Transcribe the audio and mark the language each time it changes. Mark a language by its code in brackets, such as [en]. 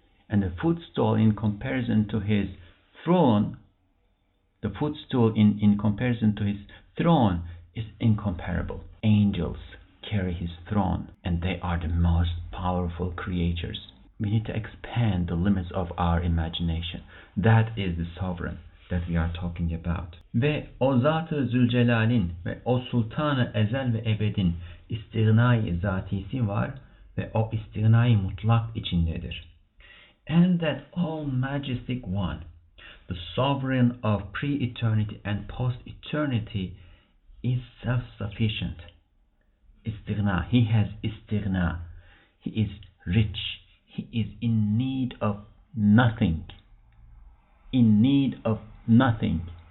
[en] And the footstool in comparison to his throne, the footstool in comparison to his throne is incomparable. Angels carry his throne and they are the most powerful creatures. We need to expand the limits of our imagination. That is the sovereign that we are talking about. [tr] Ve o zat-ı zülcelal'in ve o sultan-ı ezel ve ebedin istiğnai zatisi var ve o istiğnai mutlak içindedir. [en] And that all majestic one, the sovereign of pre-eternity and post-eternity, is self-sufficient. İstiğna, he has istiğna. He is rich. He is in need of nothing. In need of nothing.